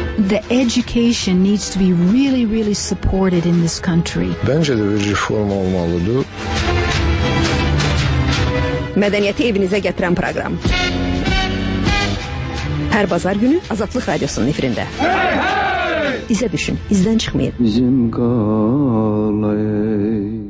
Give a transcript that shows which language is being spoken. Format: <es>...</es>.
<en>The education needs to be really really supported in this country.</en> <tr>Bence de bir reform olmalıdır.</tr> <az>Medeniyeti evinizə gətirən proqram. Hər bazar günü Azadlıq Radiosunun efirində. Hey, hey! İzə düşün, izdən çıxmayın. Bizim qalay.</az>